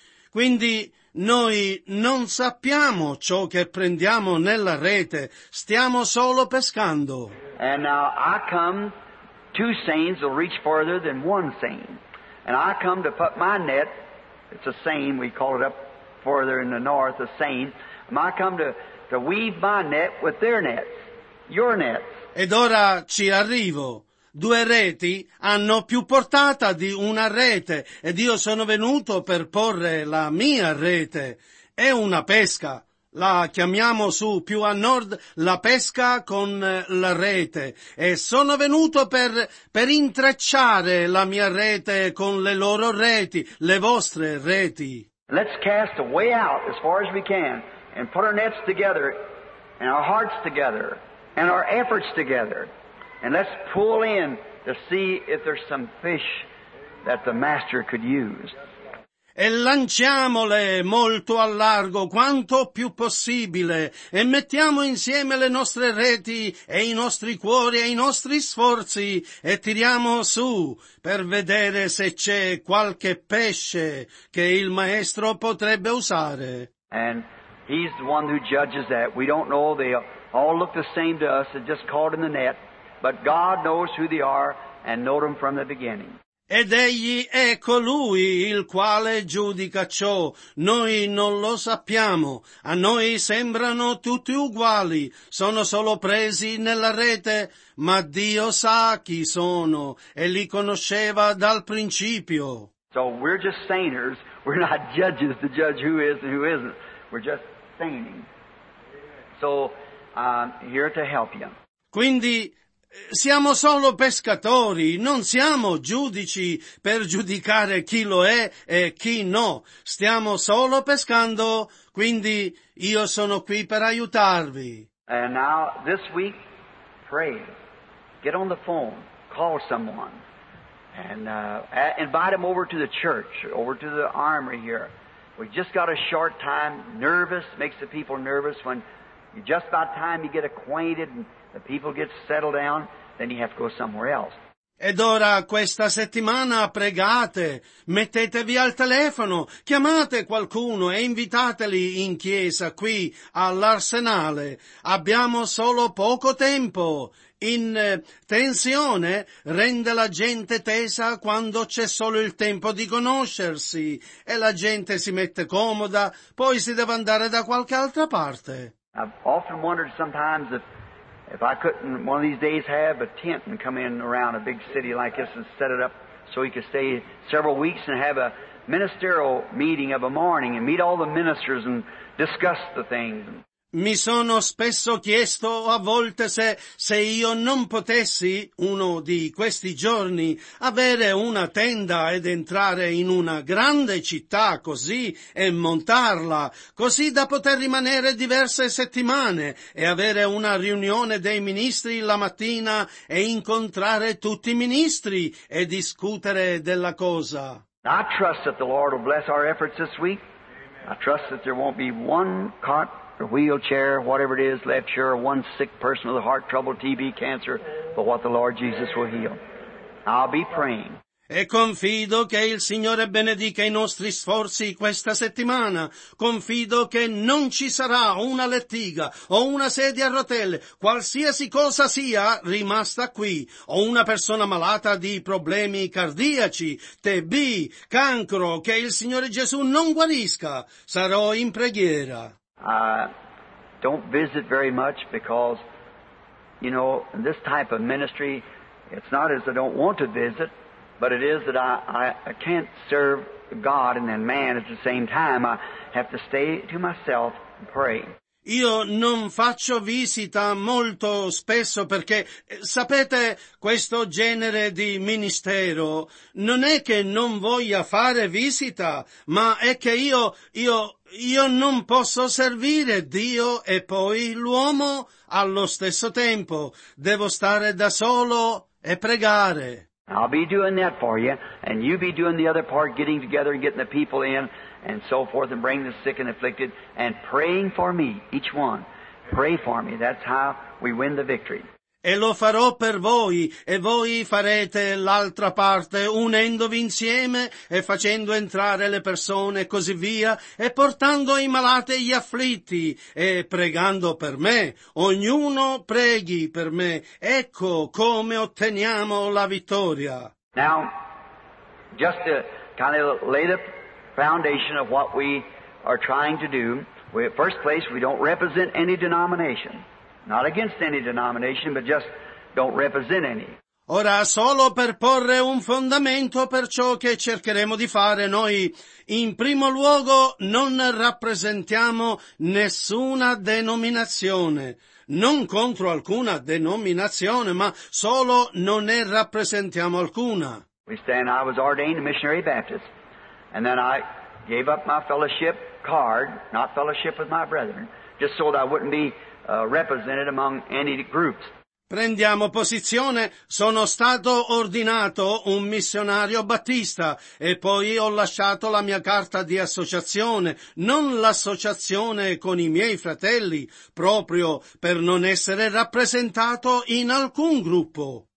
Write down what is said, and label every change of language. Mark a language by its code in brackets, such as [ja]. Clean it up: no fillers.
[it] Quindi noi non sappiamo ciò che prendiamo nella rete, stiamo solo pescando. [en] And now I come. Two seines will reach farther than one seine. And I come to put my net, it's a seine, we call it up further in the north, a seine. And I come to weave my net with their nets, your nets. [it] Ed ora ci arrivo. Due reti hanno più portata di una rete, ed io sono venuto per porre la mia rete. È una pesca. La chiamiamo su più a nord la pesca con la rete e sono venuto per intrecciare la mia rete con le loro reti, le vostre reti. [en] Let's cast way out as far as we can and put our nets together and our hearts together and our efforts together and let's pull in to see if there's some fish that the master could use. [it] e lanciamole molto a largo, quanto più possibile, e mettiamo insieme le nostre reti e i nostri cuori e i nostri sforzi e tiriamo su per vedere se c'è qualche pesce che il Maestro potrebbe usare. [en] And he's the one who judges that. We don't know, they all look the same to us, they're just caught in the net, but God knows who they are and knows them from the beginning. [it] Ed egli è colui il quale giudica ciò. Noi non lo sappiamo. A noi sembrano tutti uguali. Sono solo presi nella rete. Ma Dio sa chi sono e li conosceva dal principio. [en] So we're just saners. We're not judges to judge who is and who isn't. We're just saning. So I'm here to help you. [it] Quindi siamo solo pescatori, non siamo giudici per giudicare chi lo è e chi no. Stiamo solo pescando, quindi io sono qui per aiutarvi. [en] And now, this week, pray. Get on the phone, call someone, and invite them over to the church, over to the armory here. We just got a short time, nervous, makes the people nervous when you just about time you get acquainted and the people get settled down, then you have to go somewhere else. [it] Ed ora questa settimana pregate, mettetevi al telefono, chiamate qualcuno e invitateli in chiesa qui all'arsenale. Abbiamo solo poco tempo. In tensione rende la gente tesa quando c'è solo il tempo di conoscersi e la gente si mette comoda, poi si deve andare da qualche altra parte. [en] I've often wondered sometimes if I couldn't one of these days have a tent and come in around a big city like this and set it up so we could stay several weeks and have a ministerial meeting of a morning and meet all the ministers and discuss the things. [it] Mi sono spesso chiesto a volte se io non potessi uno di questi giorni avere una tenda ed entrare in una grande città così e montarla, così da poter rimanere diverse settimane e avere una riunione dei ministri la mattina e incontrare tutti i ministri e discutere della cosa. [en] I trust that the Lord will bless our efforts this week. I trust that there won't be one caught a wheelchair, whatever it is, left sure, one sick person with heart trouble, TB, cancer, but what the Lord Jesus will heal. I'll be praying. [it] E confido che il Signore benedica i nostri sforzi questa settimana. Confido che non ci sarà una lettiga o una sedia a rotelle, qualsiasi cosa sia rimasta qui, o una persona malata di problemi cardiaci, TB, cancro, che il Signore Gesù non guarisca. Sarò in preghiera. [en] Don't visit very much because, you know, in this type of ministry, it's not as I don't want to visit, but it is that I can't serve God and then man at the same time. I have to stay to myself and pray. [it] Io non faccio visita molto spesso perché, sapete, questo genere di ministero non è che non voglia fare visita, ma è che io non posso servire Dio e poi l'uomo allo stesso tempo. Devo stare da solo e pregare. [en] I'll be doing that for you, and you be doing the other part, getting together and getting the people in, and so forth, and bring the sick and afflicted, and praying for me, each one. Pray for me. That's how we win the victory. [it] E lo farò per voi, e voi farete l'altra parte, unendovi insieme e facendo entrare le persone e così via, e portando i malati e gli afflitti, e pregando per me. Ognuno preghi per me. Ecco come otteniamo la vittoria. [en] Now, just to kind of lay the foundation of what we are trying to do, we, first place, we don't represent any denomination. Not against any denomination, but just don't represent any. [it] Ora, solo per porre un fondamento per ciò che cercheremo di fare, noi, in primo luogo, non rappresentiamo nessuna denominazione. Non contro alcuna denominazione, ma solo non ne rappresentiamo alcuna. [en] We stand, I was ordained a missionary Baptist, and then I gave up my fellowship card, not fellowship with my brethren, just so that I wouldn't be represented among any groups. [it] Prendiamo posizione. Sono stato ordinato un missionario battista e poi ho lasciato la mia carta di associazione, non l'associazione con i miei fratelli, proprio per non essere rappresentato in alcun gruppo.